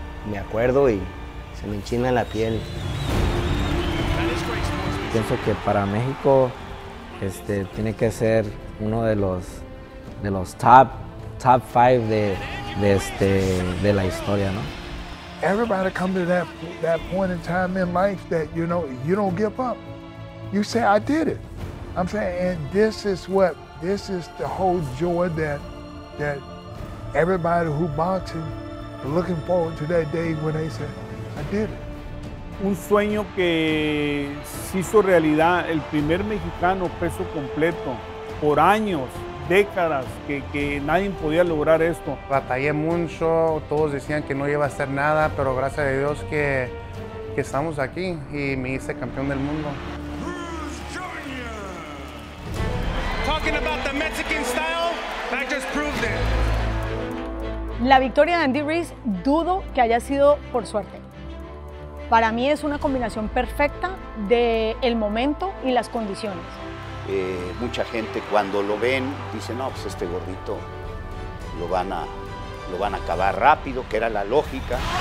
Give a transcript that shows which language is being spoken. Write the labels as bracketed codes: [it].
[es] Me acuerdo y se me enchina la piel. Pienso que para México tiene que ser uno de los top five de la historia, ¿no? [en] Everybody come to that point in time in life that, you know, you don't give up. You say, I did it. I'm saying, and this is the whole joy that everybody who boxing is looking forward to that day when they say, I did it. [es] Un sueño que se hizo realidad, el primer mexicano peso completo, por años, décadas, que nadie podía lograr esto. Batallé mucho, todos decían que no iba a ser nada, pero gracias a Dios que estamos aquí y me hice campeón del mundo. [en] Talking about the Mexican style, I just proved it. [es] La victoria de Andy Ruiz, dudo que haya sido por suerte. Para mí es una combinación perfecta del momento y las condiciones. Mucha gente cuando lo ven dice, no, pues este gordito lo van a acabar rápido, que era la lógica.